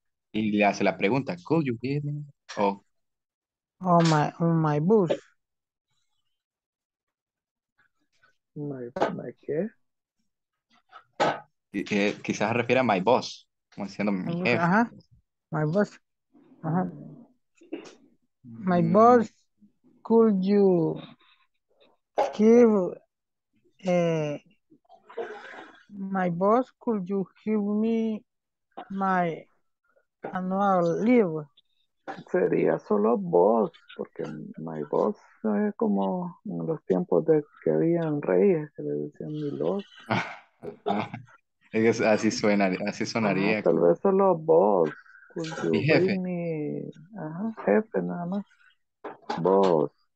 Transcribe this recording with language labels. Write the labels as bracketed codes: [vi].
[es] Y le hace la pregunta, [en] could you give me, my bus. [es] My qué? Quizás refiere a my boss, como diciendo mi jefe. [en] Ajá. My boss. Ajá. My boss, could you give my boss, could you give me my annual leave? [es] Sería solo boss, porque my boss eso es como en los tiempos de que habían reyes, se le decían milord. Así sonaría. Ajá, tal vez solo boss. Jefe nada más. Boss.